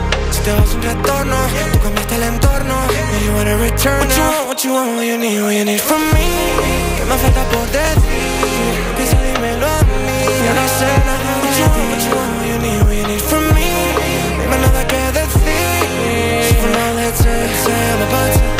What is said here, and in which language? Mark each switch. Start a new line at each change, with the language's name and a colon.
Spanish: Si te vas un retorno, tú cambiaste el entorno.
English: Now you wanna return. What you want, what you need from me.
Spanish: Que me falta por decir, piensa dímelo a mí. Yo no sé nada de ti.
English: What you want, what you need from me.
Spanish: Dime nada que decir.
English: So for now, let's say I'm about to.